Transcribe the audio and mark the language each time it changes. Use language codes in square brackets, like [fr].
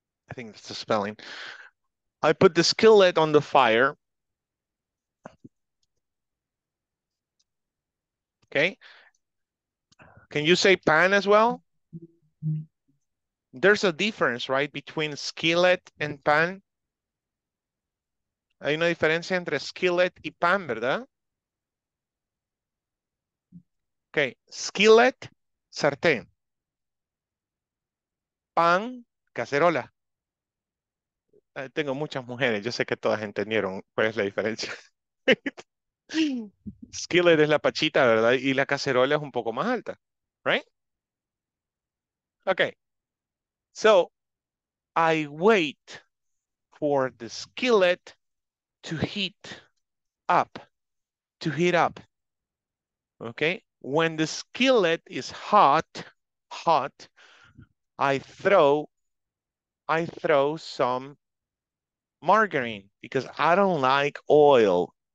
[en] I think that's the spelling. I put the skillet on the fire. Okay. Can you say pan as well? There's a difference, right, between skillet and pan. [es] Hay una diferencia entre skillet y pan, ¿verdad? Okay. Skillet, sartén. Pan, cacerola. Tengo muchas mujeres, yo sé que todas entendieron cuál es la diferencia. Skillet es la pachita, ¿verdad? Y la cacerola es un poco más alta, right? Okay. [en] So, I wait for the skillet to heat up. To heat up. Okay? When the skillet is hot, I throw some margarine, because I don't like oil.